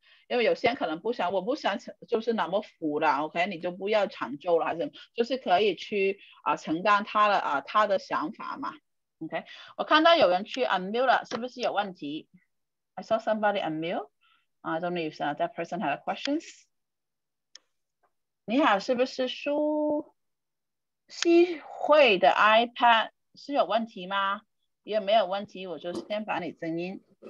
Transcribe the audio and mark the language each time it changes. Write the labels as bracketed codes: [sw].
[zh] 因为有些人可能不想，我不想就是那么服了，OK，你就不要抢救了，还是就是可以去承担他的想法嘛，OK。我看到有人去 unmute了，是不是有问题？ [en] I saw somebody unmute. I don't know if that person had questions. [zh] 你好，是不是苏西慧的 iPad 是有问题吗？有没有问题？我就先把你静音。